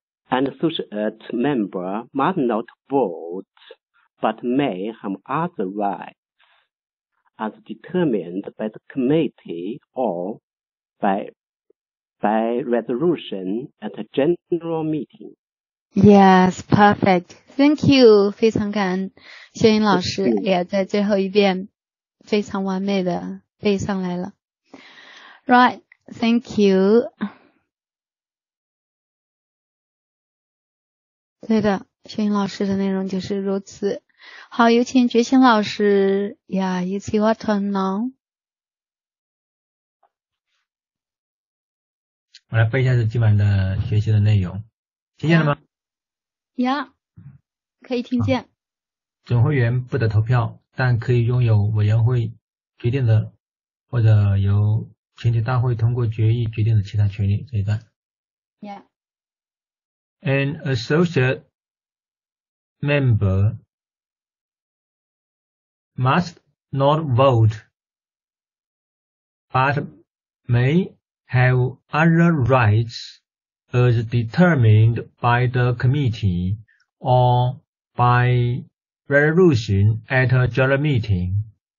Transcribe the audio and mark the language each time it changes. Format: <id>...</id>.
<en>And associate member must not vote, but may have other rights as determined by the committee or by resolution at a general meeting. Yes, perfect. Thank you.</en> <zh>非常感恩修英老师也在最后一遍非常完美的背上来了。</zh> <en>Right, thank you.</en> <zh>对的，学英老师的内容就是如此。好，有请觉醒老师。Yeah,</zh> <en>it's your turn now.</en> <zh>我来背一下今晚的学习的内容，听见了吗？ Yeah, 可以听见。总会员不得投票，但可以拥有委员会决定的或者由全体大会通过决议决定的其他权利。这一段。</zh> <en>Yeah. An associate member must not vote, but may have other rights as determined by the committee or by resolution at a general meeting.</en>